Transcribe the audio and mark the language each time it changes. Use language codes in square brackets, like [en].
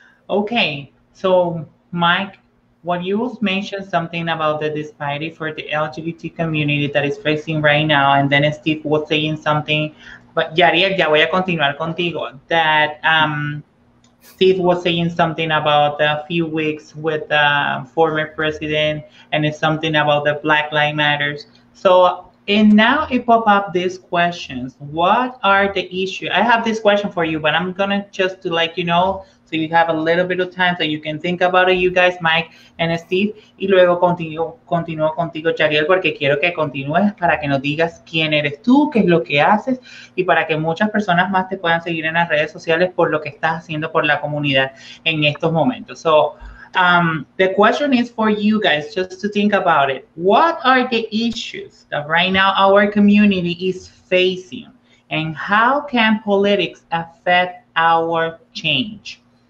[en] Okay, so Mike, what you mentioned something about the disparity for the LGBT community that is facing right now, and then Steve was saying something, but Yariel, [es] ya voy a continuar contigo, [en] that Steve was saying something about a few weeks with the former president, and it's something about the Black Lives Matter. So, and now it pop up these questions. What are the issues? I have this question for you, but I'm going to just to like, you know, so you have a little bit of time so you can think about it, you guys, Mike and Steve. [es] Y luego continuo contigo, Yariel, porque quiero que continúes para que nos digas quién eres tú, qué es lo que haces, y para que muchas personas más te puedan seguir en las redes sociales por lo que estás haciendo por la comunidad en estos momentos. [en] So, the question is for you guys, just to think about it. What are the issues that right now our community is facing, and how can politics affect our change?